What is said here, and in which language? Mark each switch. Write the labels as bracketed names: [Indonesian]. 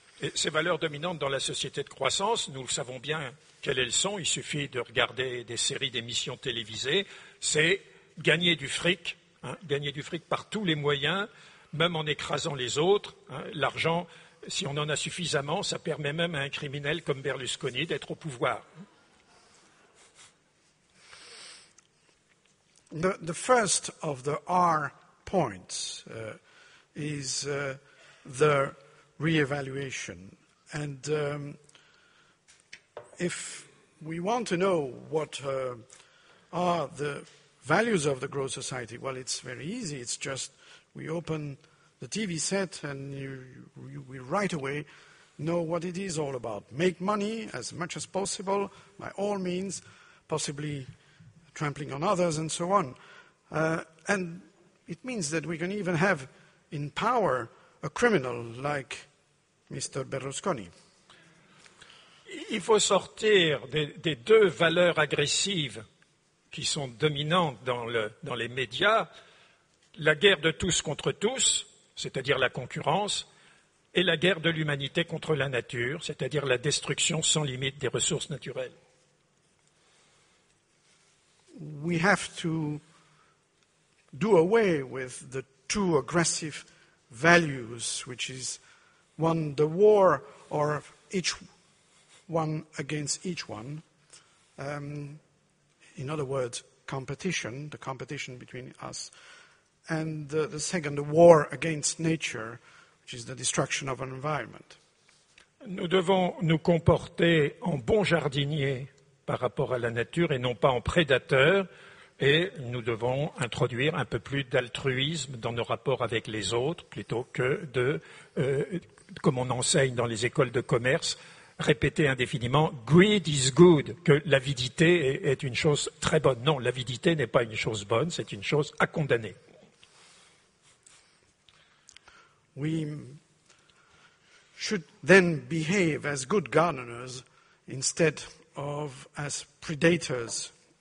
[French] Et ces valeurs dominantes dans la société de croissance, nous le savons bien quelles elles sont, il suffit de regarder des séries d'émissions télévisées, c'est gagner du fric, hein, gagner du fric par tous les moyens, même en écrasant les autres. Hein, l'argent, si on en a suffisamment, ça permet même à un criminel comme Berlusconi d'être au pouvoir. [English] The first of the R points is the re-evaluation. And if we want to know what are the values of the growth society, well, it's very easy. It's just we open the TV set and we right away know what it is all about. Make money as much as possible, by all means, possibly trampling on others and so on. And it means that we can even have in power a criminal like Mr. Berlusconi. [French] Il faut sortir des deux valeurs agressives qui sont dominantes dans les médias, la guerre de tous contre tous, c'est-à-dire la concurrence, et la guerre de l'humanité contre la nature, c'est-à-dire la destruction sans limite des ressources naturelles. [English] We have to do away with the two aggressive values, which is one, the war, or each one against each one. In other words, competition, the competition between us. And the second, the war against nature, which is the destruction of an environment. [French] Nous devons nous comporter en bon jardinier par rapport à la nature et non pas en prédateur. Et nous devons introduire un peu plus d'altruisme dans nos rapports avec les autres plutôt que de, comme on enseigne dans les écoles de commerce, répéter indéfiniment « [English] greed is good [French] », que l'avidité est une chose très bonne. Non, l'avidité n'est pas une chose bonne, c'est une chose à condamner. [English] We should then behave as good gardeners instead of as predators.